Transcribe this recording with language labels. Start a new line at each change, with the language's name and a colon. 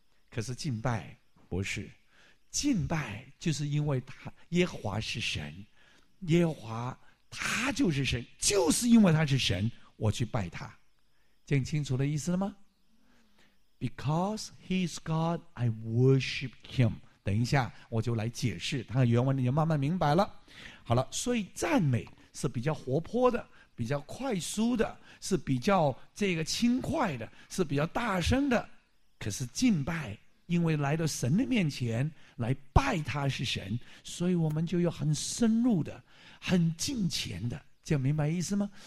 Chinese: 可是敬拜不是，敬拜就是因为他耶和华是神，耶和华他就是神，就是因为他是神，我去拜他。这样清楚的意思了吗？
English: Because he is God, I worship him。
Chinese: 等一下我就来解释他的原文，你就慢慢明白了。好了，所以赞美是比较活泼的，比较快速的，是比较这个轻快的，是比较大声的。可是敬拜，因为来到神的面前来拜他是神，所以我们就有很深入的、很敬虔的，这样明白意思吗？